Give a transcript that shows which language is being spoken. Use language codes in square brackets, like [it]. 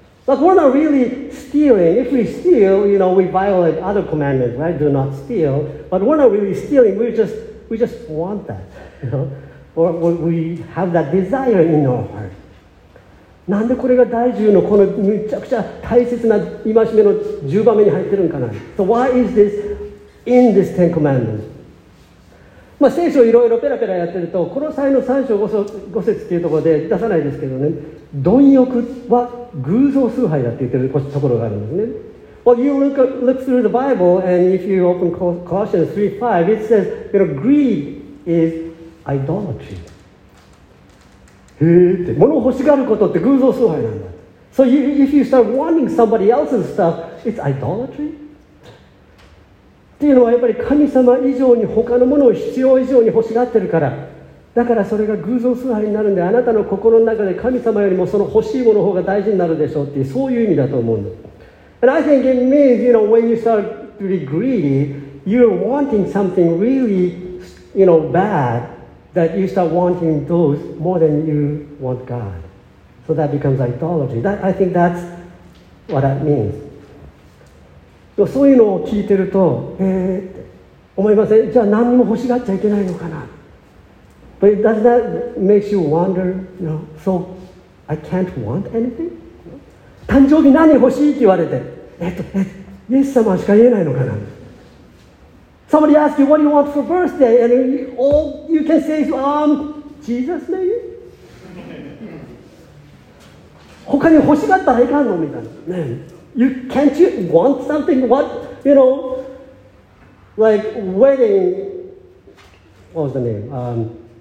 [en] But we're not really stealing. If we steal, you know, we violate other commandments, right? Do not steal. But we're not really stealing. We just want that, you know? Or we have that desire in our heart. [ja] なんでこれが第10のこのめちゃくちゃ大切な戒めの10番目に入ってるんかな。 [en] So why is this in this Ten Commandments? [ja] まあ、聖書をいろいろペラペラやってるとこの際の3章5節っていうところで出さないですけどね、貪欲は偶像崇拝だって言ってるところがあるんですね。 [en] Well, you look through the Bible and if you open Colossians 3:5, it says, you know, greed is idolatry. [ja] へーって、物を欲しがることって偶像崇拝なんだ。 [en] So if you start wanting somebody else's stuff, it's idolatry [ja] っていうのはやっぱり神様以上に他のものを必要以上に欲しがってるから、だからそれが偶像崇拝になるんで、あなたの心の中で神様よりもその欲しいものの方が大事になるでしょうっていう、そういう意味だと思うの。 [en] And I think it means, you know, when you start to be greedy, you're wanting something really, you know, bad, that you start wanting those more than you want God. So that becomes idolatry. I think that's what that means. [ja] そういうのを聞いてると、って思いません？じゃあ何も欲しがっちゃいけないのかな。 [en] But does that make you wonder, you know, so I can't want anything? [ja] 誕生日何欲しいって言われて、イエス様しか言えないのかな。 [en] Somebody asks you, what do you want for birthday? And all you can say is, Jesus maybe? [ja] 他に欲しがったらいかんのみたいな。ね、 [en] You can't you want something? What, you know, like wedding, what was the name?